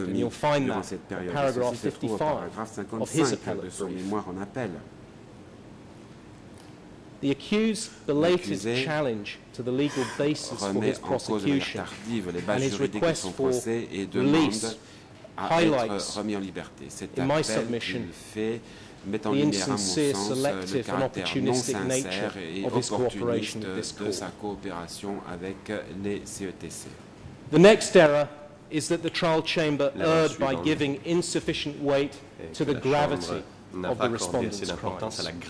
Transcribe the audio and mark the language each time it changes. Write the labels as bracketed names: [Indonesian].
[English] And you'll find that in paragraph 55 of his appellate brief. The accused's belated challenge to the legal basis for his prosecution and his request for release highlights, in my submission, [French] mettant en lumière, à mon sens, le caractère non sincère et opportuniste de sa coopération avec les CETC. [English] The next error is that the trial chamber erred by giving insufficient weight to the gravity of the respondent's crimes.